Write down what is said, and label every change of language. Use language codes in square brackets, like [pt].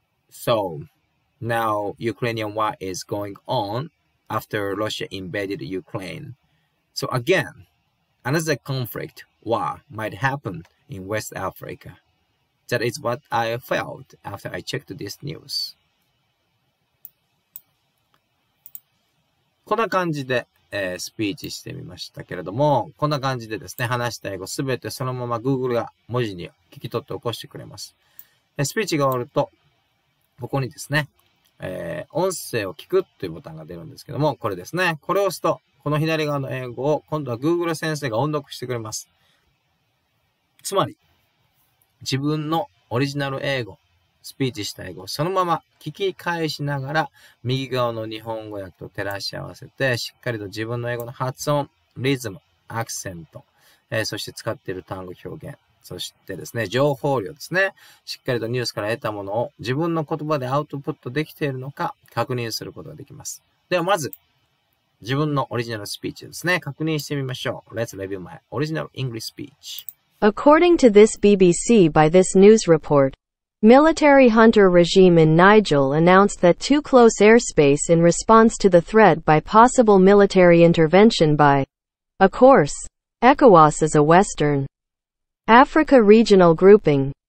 [en] So now Ukrainian war is going on after Russia invaded Ukraine. So again, another conflict war might happen in West Africa. That is what I felt after I checked this news. [ja] こんな感じでスピーチしてみましたけれども、こんな感じでですね、話した英語すべてそのまま Google が文字に聞き取って起こしてくれます。スピーチが終わると、ここにですね、音声を聞くというボタンが出るんですけども、これですね、これを押すと、この左側の英語を今度は Google 先生が音読してくれます。つまり、自分のオリジナル英語、スピーチした英語をそのまま聞き返しながら右側の日本語訳と照らし合わせてしっかりと自分の英語の発音、リズム、アクセント、そして使っている単語表現、そしてですね、情報量ですね、しっかりとニュースから得たものを自分の言葉でアウトプットできているのか確認することができます。ではまず、自分のオリジナルスピーチですね、確認してみましょう。 [en] Let's review my original English speech. According to this BBC by this news report,Military junta regime in Niger announced that too close airspace in response to the threat by possible military intervention by, of course, ECOWAS is a Western Africa regional grouping.